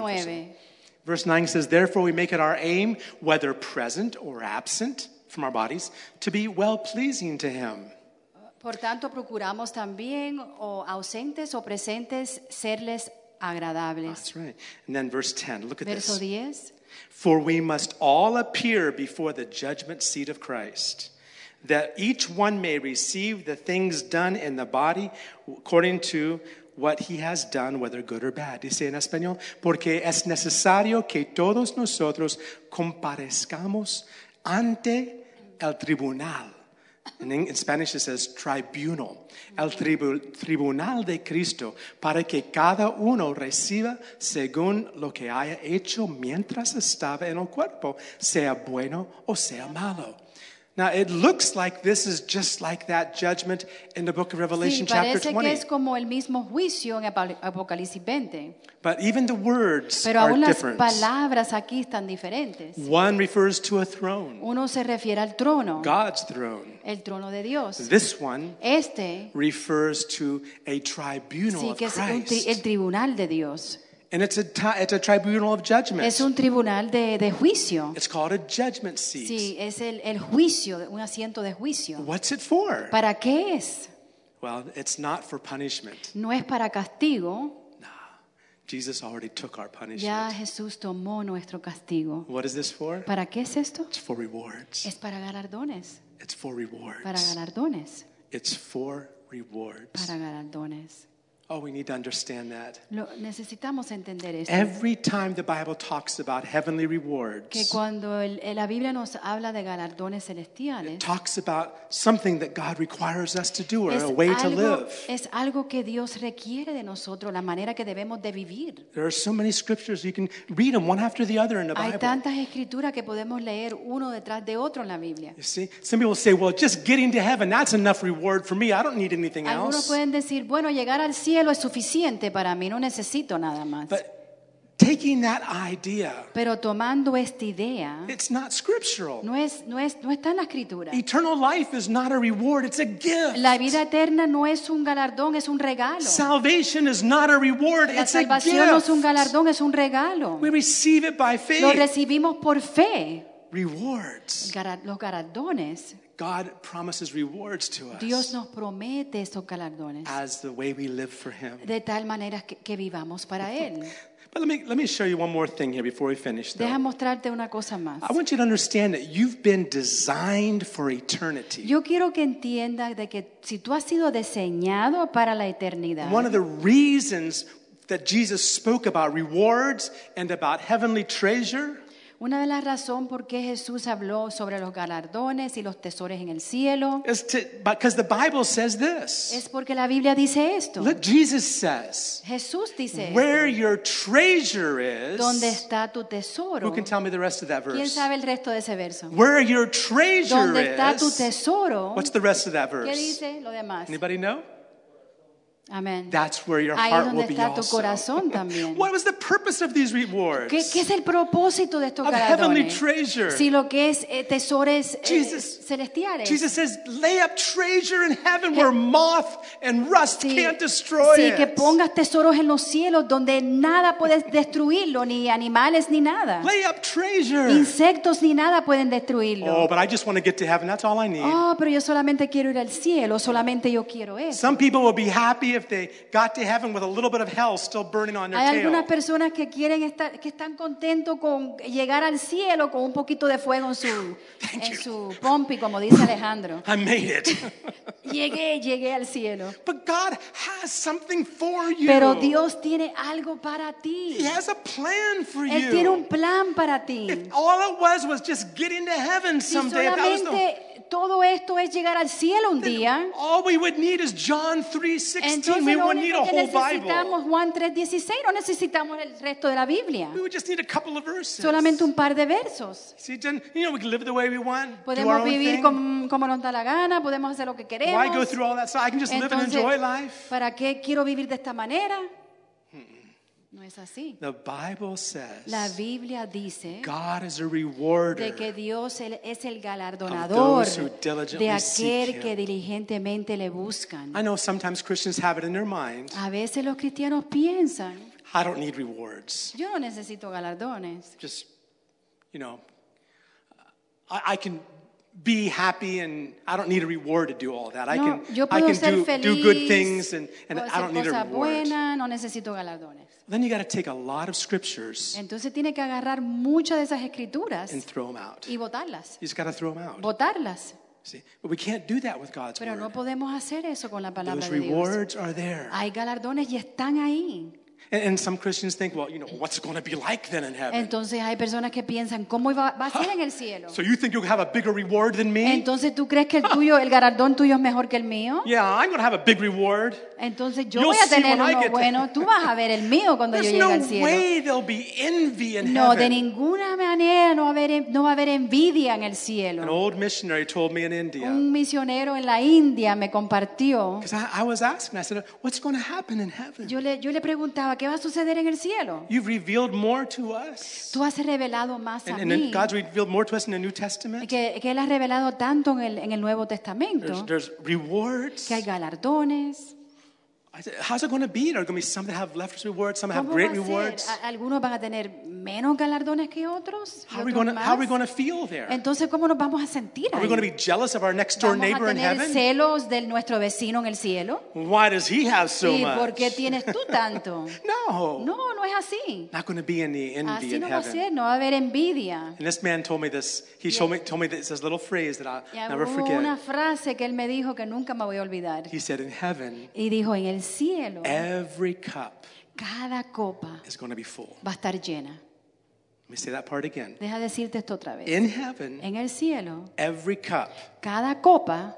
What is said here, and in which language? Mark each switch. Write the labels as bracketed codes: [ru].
[en] 9. Verse 9 says, therefore we make it our aim, whether present or absent from our bodies, to be well-pleasing to him. [es] Por tanto, procuramos también, o ausentes o presentes, serles agradables. [en] That's right. And then verse 10, look at [es] verso [en] this. [es] Verso 10. [en] For we must all appear before the judgment seat of Christ, that each one may receive the things done in the body according to what he has done, whether good or bad. [es] Dice en español, porque es necesario que todos nosotros comparezcamos ante el tribunal. [en] And in Spanish it says tribunal. [es] El tribunal de Cristo, para que cada uno reciba según lo que haya hecho mientras estaba en el cuerpo, sea bueno o sea malo. [en] Now, it looks like this is just like that judgment in the book of Revelation, [es] sí, [en] chapter 20. [es] Que es como el mismo juicio en Apocalipsis 20. [en] But even the words [es] pero [en] are [es] las [en] different. [es] Palabras aquí están diferentes. [en] One refers to a throne. [es] Uno se refiere al trono. [en] God's throne. [es] El trono de Dios. [en] This one [es] este [en] refers to a tribunal, [es] sí, que [en] of Christ. [es] Es el tribunal de Dios. [en] And it's a tribunal of judgment. [es] Es un tribunal de juicio. [en] It's called a judgment seat. [es] Sí, es el juicio, un asiento de juicio. [en] What's it for? [es] ¿Para qué es? [en] Well, it's not for punishment. [es] No es para castigo. [en] Nah, Jesus already took our punishment. [es] Ya Jesús tomó nuestro castigo. [en] What is this for? [es] ¿Para qué es esto? [en] It's for rewards. [es] Es para galardones. [en] It's for rewards. [es] Para galardones. [en] It's for rewards. [es] Para galardones. [en] Oh, we need to understand that. [es] Necesitamos entender esto. [en] Every time the Bible talks about heavenly rewards, [es] que cuando la Biblia nos habla de galardones celestiales, [en] it talks about something that God requires us to do, or a way to live. [es] Es algo que Dios requiere de nosotros, la manera que debemos de vivir. [en] There are so many scriptures, you can read them one after the other in the Bible. [es] Hay tantas escrituras que podemos leer uno detrás de otro en la Biblia. [en] You see, some people say, well, just getting to heaven, that's enough reward for me. I don't need anything else. [es] Algunos pueden decir, bueno, llegar al cielo es suficiente para mí, no necesito nada más. [en] But taking that idea, [es] pero tomando esta idea, [en] it's not scriptural. [es] No está en la escritura. [en] Eternal life is not a reward, it's a gift. [es] La vida eterna no es un galardón, es un regalo. [en] Salvation is not a reward, it's a gift. [es] La salvación no es un galardón, es un regalo. [en] We receive it by faith. [es] Lo recibimos por fe. [en] Rewards. [es] Los galardones. [en] God promises rewards to us. [es] Dios nos promete estos galardones. [en] As the way we live for him. [es] De tal manera que vivamos para él. [en] But let me show you one more thing here before we finish, though. [es] Deja mostrarte una cosa más. [en] I want you to understand that you've been designed for eternity. [es] Yo quiero que entiendas de que si tú has sido diseñado para la eternidad. [en] One of the reasons that Jesus spoke about rewards and about heavenly treasure. [es] Una de las razones por qué Jesús habló sobre los galardones y los tesoros en el cielo es porque la Biblia dice esto. [en] Look, Jesus says, [es] Jesús dice [en] where your treasure is, [es] ¿dónde está tu tesoro? [en] Who can tell me the rest of that verse? [es] ¿Quién sabe el resto de ese verso? [en] Where your treasure [es] ¿dónde está tu tesoro? [en] What's the rest of that verse? [es] ¿Qué dice lo demás? [en] Anybody know? Amen. That's where your heart will be [es] está [en] also. [es] Tu corazón también. [en] What was the purpose of these rewards? [es] ¿Qué es el propósito de estos [en] of [es] galardones? [en] Heavenly treasure. [es] Si lo que es tesores Jesus, celestiales. [en] Jesus says, lay up treasure in heaven where moth and rust [es] sí, [en] can't destroy [es] sí, [en] it. [es] Que pongas tesoros en los cielos donde nada puede destruirlo, ni animales ni nada. [en] Lay up treasure. [es] Insectos ni nada pueden destruirlo. [en] Oh, but I just want to get to heaven. That's all I need. [es] Oh, pero yo solamente quiero ir al cielo. Solamente yo quiero eso. [en] Some people will be happy if they got to heaven with a little bit of hell still burning on their tail. [es] Hay algunas personas que quieren estar que están contentos con llegar al cielo con un poquito de fuego en su pompi, como dice Alejandro. [en] I made it. [es] llegué al cielo. [en] But God has something for you. [es] Pero Dios tiene algo para ti. [en] He has a plan for [es] Él [en] you. [es] Él tiene un plan para ti. [en] If all it was just getting to heaven someday, [es] si solamente [en] that was the [es] todo esto es llegar al cielo un día. [en] All we would need is John 3:16. We wouldn't need a whole Bible. [es] Necesitamos Juan 3:16. No necesitamos el resto de la Biblia. [en] We would just need a couple of verses. [es] Solamente un par de versos. [en] See, then, you know, we can live the way we want. [es] Podemos vivir como nos da la gana. Podemos hacer lo que queremos. [en] Why go through all that? So I can just live and enjoy life. [es] ¿Para qué quiero vivir de esta manera? No es así. [en] The Bible says, [es] la Biblia dice, [en] God is a rewarder [es] de que Dios es el galardonador de aquel que diligentemente le buscan. [en] I know sometimes Christians have it in their mind. [es] A veces los cristianos piensan, [en] I don't need rewards. [es] Yo no necesito galardones. [en] Just, you know, I can be happy and I don't need a reward to do all that. [es] No, [en] I can, [es] yo puedo [en] I can [es] ser [en] do, [es] feliz, [en] do good things and I don't need a reward. [es] Buena, no necesito galardones. [en] Then you got to take a lot of scriptures. [es] Entonces tiene que agarrar muchas de esas escrituras [en] and throw them out. [es] Y botarlas. [en] You just got to throw them out. [es] Botarlas. [en] See, but we can't do that with God's [es] pero [en] word. [es] No podemos hacer eso con la palabra [en] Those [es] de Dios. [en] Rewards are there. [es] Hay galardones y están ahí. [en] And some Christians think, well, you know, what's it going to be like then in heaven? [es] Entonces hay personas que piensan cómo va a ser en el cielo. [en] So you think you'll have a bigger reward than me? [es] Entonces tú crees que el tuyo, el galardón tuyo es mejor que el mío? [en] Yeah, I'm going to have a big reward. [es] Entonces yo voy a tener uno bueno. Tú vas a ver el mío cuando yo llegue al cielo. [en] There's no way there'll be envy in heaven. [es] No, de ninguna manera no va a haber envidia en el cielo. [en] An old missionary told me in India. [es] Un misionero en la India me compartió. [en] Because I was asking, I said, what's going to happen in heaven? [es] Yo le preguntaba. ¿Qué va a suceder en el cielo? [en] You've revealed more to us. [es] Tú has revelado más a mí. [en] God's revealed more to us in the New Testament. [es] Que él ha revelado tanto en el Nuevo Testamento. [en] There's rewards. [es] Que hay galardones. [en] How's it going to be? Are there going to be some that have less rewards, some have great rewards? [es] ¿Algunos van a tener menos galardones que otros? [en] How are we going to feel there? [es] Entonces, ¿cómo nos vamos a sentir ahí? [en] Are we going to be jealous of our next door neighbor in heaven? [es] ¿Vamos a tener celos del nuestro vecino en el cielo? [en] Why does he have so much? [es] ¿Y por qué tienes tú tanto? [en] No. [es] No, no es así. [en] Not going to be any envy in heaven. [es] Así no va a ser, no va a haber envidia. [en] And this man told me this. He told me this little phrase that I'll never forget. [es] Hubo una frase que él me dijo que nunca me voy a olvidar. [en] He said, in heaven. [es] Y dijo, en el cielo, [en] every cup [es] cada copa [en] is going to be full. [es] Va a estar llena. [en] Let me say that part again. [es] Deja decirte esto otra vez. [en] In heaven, [es] en el cielo, [en] every cup [es] cada copa